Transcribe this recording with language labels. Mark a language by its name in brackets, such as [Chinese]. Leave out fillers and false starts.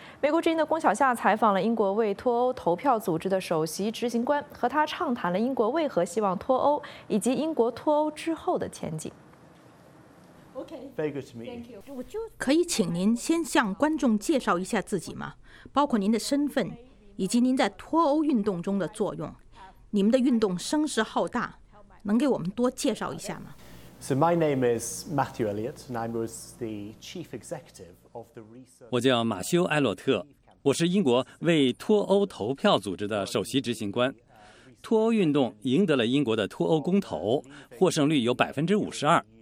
[Chinese] 美国之音的龚小夏采访了英国为脱欧投票组织的首席执行官，和他畅谈了英国为何希望脱欧，以及英国脱欧之后的前景。可以请您先向观众介绍一下自己吗？包括您的身份，以及您在脱欧运动中的作用。你们的运动声势浩大，能给我们多介绍一下吗 [English] ？So my name is Matthew Elliott, and I was the chief executive of the research. [Chinese] 我叫马修·埃洛特，我是英国为脱欧投票组织的首席执行官。脱欧运动赢得了英国的脱欧公投，获胜率有52%。